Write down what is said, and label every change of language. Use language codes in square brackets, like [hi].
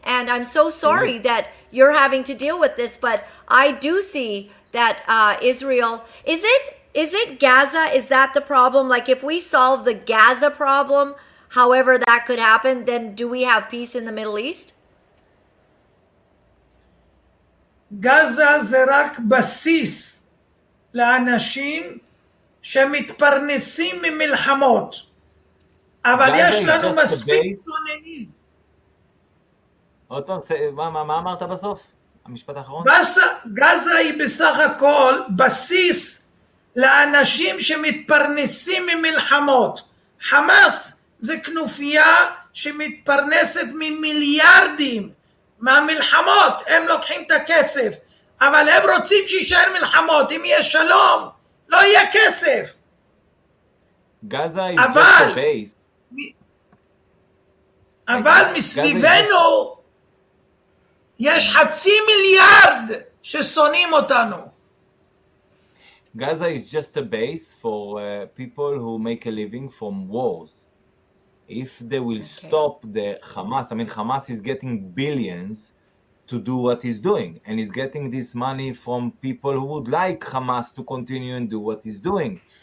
[en] And I'm so sorry that you're having to deal with this, but I do see that Israel, is it Gaza? Is that the problem? Like if we solve the Gaza problem, however that could happen, then do we have peace in the Middle East? [he] גזה זה רק בסיס לאנשים שמתפרנסים ממלחמות, אבל יש לנו מספיק צוננים. עוד פעם, מה אמרת בסוף? המשפט האחרון? גזה היא בסך הכל בסיס לאנשים שמתפרנסים ממלחמות. חמאס זה כנופיה שמתפרנסת ממיליארדים מהמלחמות, הם לוקחים את הכסף. אבל הם רוצים שישאר מלחמות, אם יהיה שלום, לא יהיה כסף. [en] Gaza is just a base. [he] אבל מסביבנו יש חצי מיליארד ששונאים אותנו. [en] Gaza is just a base for people who make a living from wars. If they will stop the Hamas, I mean Hamas is getting billions to do what he's doing, and he's getting this money from people who would like Hamas to continue and do what he's doing.